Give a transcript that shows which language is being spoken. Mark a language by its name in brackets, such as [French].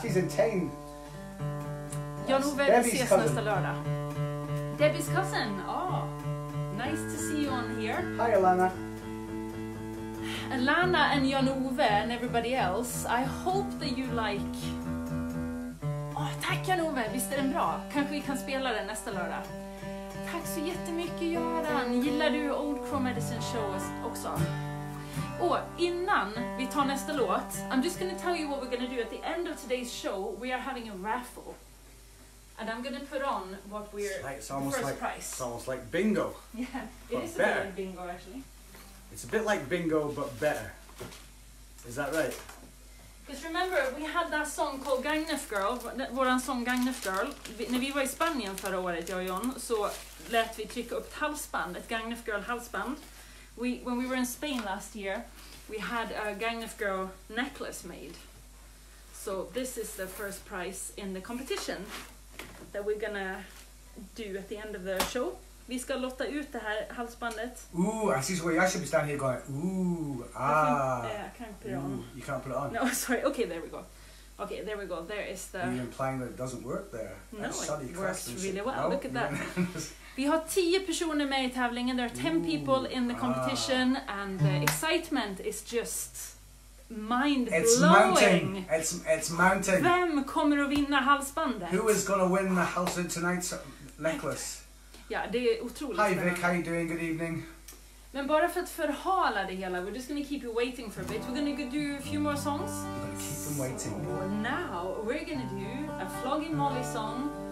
[English] She's in town. Jon Ove, Debbie's cousin. [Swedish] Lördag. [English] Debbie's cousin, oh, nice to see you on here. Hi, Alana. Alana and Jon Ove and everybody else, I hope that you like... [Swedish] Oh, tack Jon Ove, visst är den bra? Kanske vi kan spela den nästa lördag. Tack så jättemycket, Göran. Gillar du Old Crow Medicine Show också? Och innan vi tar nästa låt, [English] I'm just going to tell you what we're going to do. At the end of today's show, we are having a raffle. And I'm going to put on what we're... It's almost like It's almost like bingo. Yeah, it is better. A bit like bingo, actually. It's a bit like bingo, but better. Is that right? Because remember, we had that song called Gagnef Girl, våran song Gagnef Girl. [Swedish] När vi var i Spanien förra året, jag och John, så lät vi trycka upp ett halsband, ett Gagnef Girl halsband. [English] When we were in Spain last year, we had a Gagnef Girl necklace made. So this is the first prize in the competition that we're gonna do at the end of the show. [Swedish] Vi ska lotta ut det här halsbandet. [English] Ooh, I see where you should be standing here going, I can't put it on. You can't put it on. No, sorry. Okay, there we go. There is the... You're implying that it doesn't work there. No, it works really well. No? Look at that. [Swedish] Vi har 10 personer med i tävlingen. [English] There are 10 people in the competition. And the excitement is just mind-blowing. It's mounting. It's mounting. [Swedish] Vem kommer att vinna halsbandet? [English] Who is going to win the house in tonight's necklace? [Swedish] Ja, det är otroligt. [English] Hi Vic, how are you doing? Good evening. [Swedish] Men bara för att förhala det hela, [English] we're just going to keep you waiting for a bit. We're going to do a few more songs. We're going to keep them waiting. So now, we're going to do a Flogging Molly song.